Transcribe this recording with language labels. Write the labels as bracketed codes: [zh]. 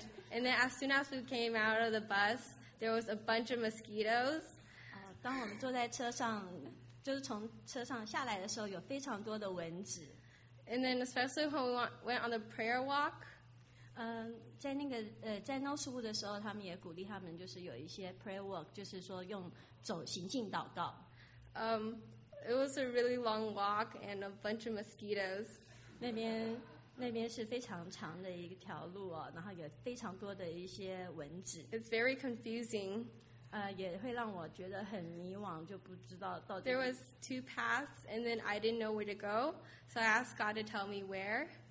[en] and then as soon as we came out of the bus, there was a bunch of mosquitoes. [zh] 当我们坐在车上，就是从车上下来的时候，有非常多的蚊子。 [en] And then especially when we went on the prayer walk. [zh] 在 Northwood 的时候，他们也鼓励他们，就是有一些 prayer walk， 就是说用走行进祷告。 [en] It was a really long walk and a bunch of mosquitoes. [zh] 那边是非常长的一个条路哦，然后有非常多的一些蚊子。 [en] It's very confusing. [zh] 也会让我觉得很迷惘，就不知道到底。 [en] There was two paths, and then I didn't know where to go, so I asked God to tell me where.